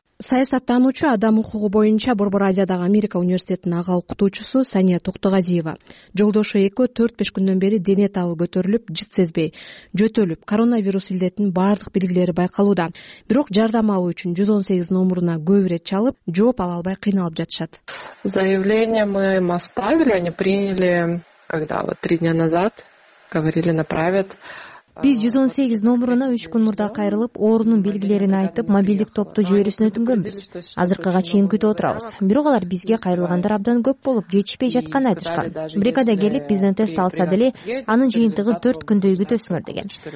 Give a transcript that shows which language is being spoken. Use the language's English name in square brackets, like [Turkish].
[Kyrgyz] Саясаттануучу, адам укугу боюнча Борбор Азиядагы Америка университетинин ага окутуучусу Сания Токтогазиева. Жолдошу экөө 4-5 күндөн бери дене табы көтөрүлүп, жыт сезбей, жөтөлүп, коронавирус илдетинин баардык белгилери байкалууда. Бирок жардам алуу үчүн 118 номуруна көбүрөт чалып, жооп ала албай кыйналып жатышат. [Russian] Заявление мы им оставили, они приняли, когда вот 3 дня назад, говорили, направят. [Kyrgyz] Биз 118 номуруна 3 күн мурда кайрылып, оорунун белгилерин айтып, мобилдик топту жөөрүсүн өтүнгөнбүз. Азыркыга чейин күтүп отурабыз. Бирок алар бизге кайрылгандар абдан көп болуп, жетишпей жатканын айтышкан. Бригада келип, бизден тест алса деле, анын жыйынтыгын 4 күндөй күтөсүңөр деген.